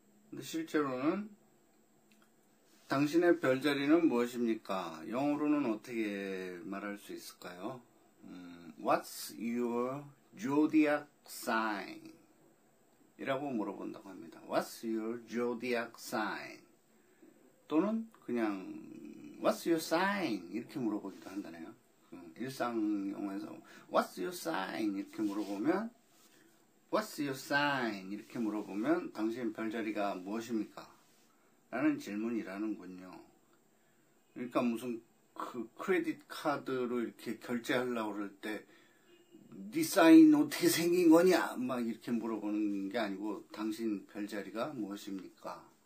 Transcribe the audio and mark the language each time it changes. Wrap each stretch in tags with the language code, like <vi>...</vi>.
<ko>근데 실제로는 당신의 별자리는 무엇입니까? 영어로는 어떻게 말할 수 있을까요?</ko> <en>What's your zodiac sign?</en> <ko>이라고 물어본다고 합니다.</ko> <en>What's your zodiac sign?</en> <ko>또는 그냥</ko> <en>What's your sign?</en> <ko>이렇게 물어보기도 한다네요. 일상용에서</ko> <en>What's your sign?</en> <ko>이렇게 물어보면</ko> <en>What's your sign?</en> <ko>이렇게 물어보면 당신 별자리가 무엇입니까? 라는 질문이라는군요. 그러니까 무슨 그 크레딧 카드로 이렇게 결제하려고 그럴 때 네 사인 어떻게 생긴 거냐? 막 이렇게 물어보는 게 아니고 당신 별자리가 무엇입니까?</ko>